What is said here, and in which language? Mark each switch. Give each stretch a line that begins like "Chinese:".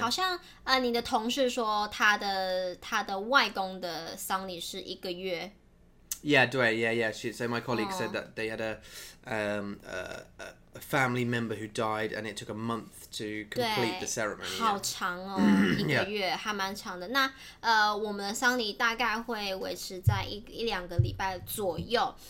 Chinese: 好像你的同事说他的外公的丧礼是一个月。
English: Yeah, 对 ，Yeah, yeah. So my colleague said that they had a family member who died, and it took a month to complete the ceremony.
Chinese: 好长哦，一个月还蛮长的。那我们的丧礼大概会维持在一两个礼拜左右。